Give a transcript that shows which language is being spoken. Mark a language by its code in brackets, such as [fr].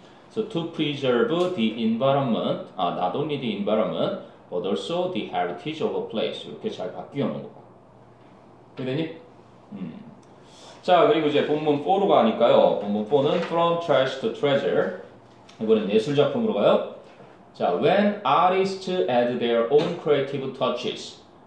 [en] So to preserve the environment, not only the environment, but also the heritage of a place. [ko] 이렇게 잘 바뀌어 놓은 거고. 이해 되니? 자, 그리고 이제 본문 4로 가니까요. 본문 4는 [en] from trash to treasure. [ko] 이번엔 예술 작품으로 가요. [en] 자, when artists add their own creative touches.